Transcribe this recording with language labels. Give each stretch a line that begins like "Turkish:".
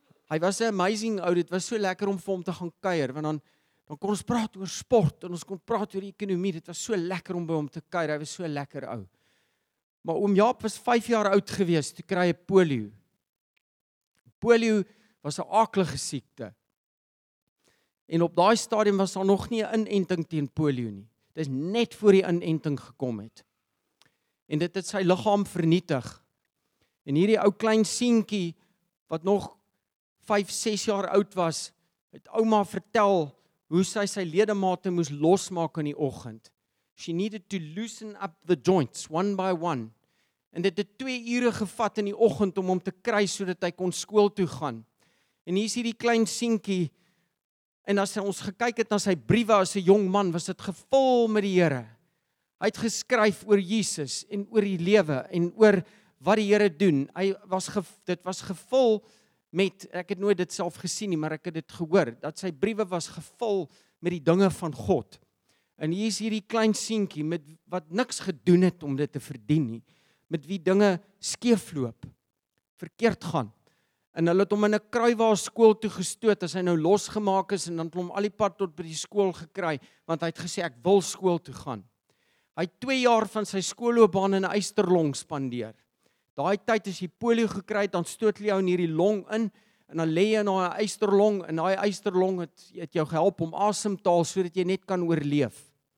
Afrikaans: Hy was 'n amazing ou. Dit was so lekker om vir hom te gaan kuier, want dan kon ons praat oor sport en ons kon praat oor die ekonomie. Dit was so lekker om by hom te kuier. Hy was so lekker ou. Maar oom Jaap was 5 jaar oud gewees toe kry hy polio. Polio was 'n akelige siekte. En op daai stadium was daar nog nie 'n inenting teen polio nie. Dit is net voor die inenting gekom het. En dit het sy liggaam vernietig. En hierdie ou klein seentjie wat nog 5-6 jaar oud was, het ouma vertel hoe sy sy ledemate moes losmaak in die oggend.
English: She needed to loosen up the joints one by one.
Afrikaans: En dit het 2 ure gevat in die oggend om hom te kry sodat hy kon skool toe gaan. En hier is hierdie klein seentjie. En as ons gekyk het na sy briewe as 'n jong man, was dit gevul met die Here. Hy het geskryf oor Jesus en oor die lewe en oor wat die Here doen. Ek het nooit dit self gesien nie, maar ek het dit gehoor, dat sy briewe was gevul met die dinge van God. En hier is hierdie klein seentjie met wat niks gedoen het om dit te verdien nie, met wie dinge skeefloop, verkeerd gaan. En hulle het hom in 'n kruiwa skool toe gestoot, as hy nou losgemaak is, en dan het hom al die pad tot by die skool gekry, want hy het gesê, ek wil skool toe gaan. Hy het 2 jaar van sy skoolloopbaan in Ysterlong spandeer. Daai tyd as hy polio gekry het, dan stoot hulle jou in hierdie long in, en dan lê jy in daai Ysterlong, en daai Ysterlong het jou gehelp om asem te haal, sodat jy net kan oorleef.